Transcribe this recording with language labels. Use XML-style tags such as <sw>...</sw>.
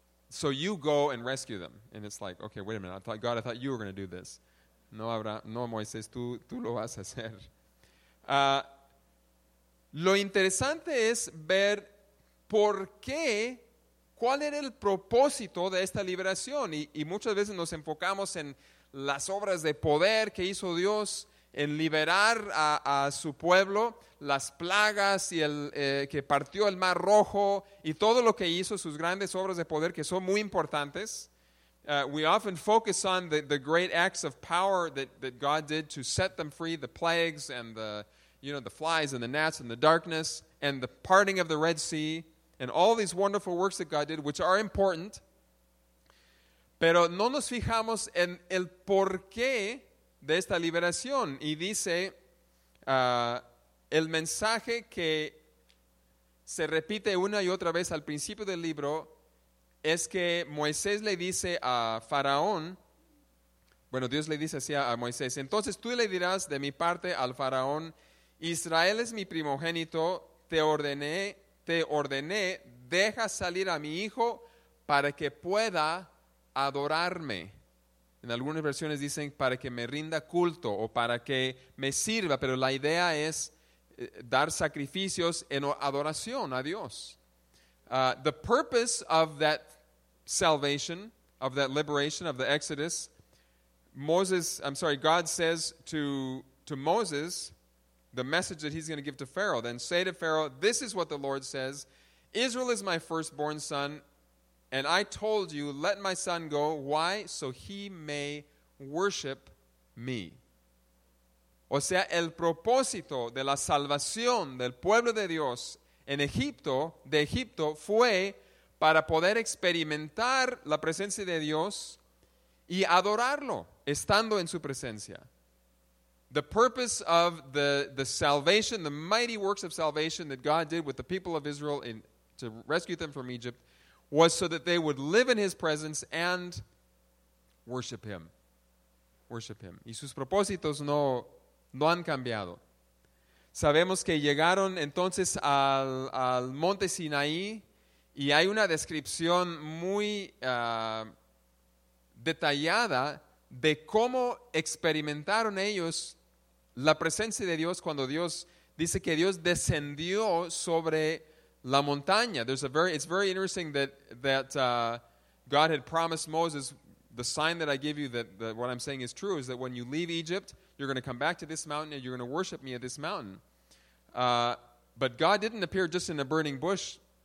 <en>So you go and rescue them. And it's like, okay, wait a minute. I thought you were going to do this.</en> <es>No, Abraham, no, Moisés, tú lo vas a hacer. Lo interesante es ver por qué, cuál era el propósito de esta liberación. Y muchas veces nos enfocamos en las obras de poder que hizo Dios en liberar a su pueblo, las plagas y el que partió el Mar Rojo y todo lo que hizo, sus grandes obras de poder que son muy importantes.</es> <en>We often focus on the great acts of power that God did to set them free, the plagues and the, you know, the flies and the gnats and the darkness and the parting of the Red Sea and all these wonderful works that God did, which are important.</en> <es>Pero no nos fijamos en el porqué de esta liberación. Y dice el mensaje que se repite una y otra vez al principio del libro es que Moisés le dice a Faraón, bueno, Dios le dice así a Moisés: entonces tú le dirás de mi parte al Faraón, Israel es mi primogénito, te ordené, deja salir a mi hijo para que pueda adorarme. En algunas versiones dicen para que me rinda culto o para que me sirva, pero la idea es dar sacrificios en adoración a Dios.</es> <en>The purpose of that salvation, of that liberation, of the Exodus, God says to Moses, the message that he's going to give to Pharaoh, then say to Pharaoh, this is what the Lord says, Israel is my firstborn son, and I told you, let my son go. Why? So he may worship me.</en> <es>O sea, el propósito de la salvación del pueblo de Dios en Egipto, de Egipto, fue para poder experimentar la presencia de Dios y adorarlo estando en su presencia.</es> <en>The purpose of the salvation, the mighty works of salvation that God did with the people of Israel to rescue them from Egypt, was so that they would live in his presence and worship him. Worship him.</en> <es>Y sus propósitos no han cambiado. Sabemos que llegaron entonces al monte Sinaí y hay una descripción muy detallada de cómo experimentaron ellos la presencia de Dios cuando Dios dice que Dios descendió sobre la montaña.</es> <en>It's very interesting that God had promised Moses, the sign that I give you that what I'm saying is true is that when you leave Egypt, you're going to come back to this mountain and you're going to worship me at this mountain. But God didn't appear just in a burning bush.</en>